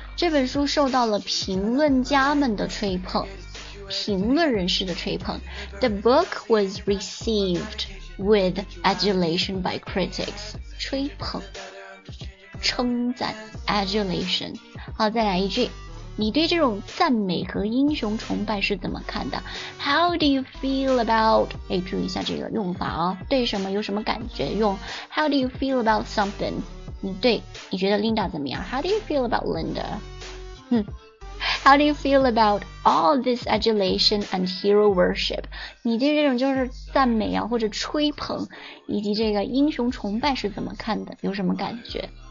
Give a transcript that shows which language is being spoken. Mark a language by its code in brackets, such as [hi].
[zh] 这本书受到了评论家们的吹捧，评论人士的吹捧。 [en] The book was received with adulation by critics. [zh] 吹捧，称赞 ,Adulation. 好，再来一句。你对这种赞美和英雄崇拜是怎么看的 ? [en] How do you feel about, [zh] 诶注意一下这个用法哦，对什么有什么感觉，用 [en] How do you feel about something? [zh] 你觉得 Linda 怎么样 ? [en] How do you feel about Linda? How do you feel about all this adulation and hero worship? [zh] 你对这种就是赞美啊或者吹捧以及这个英雄崇拜是怎么看的，有什么感觉？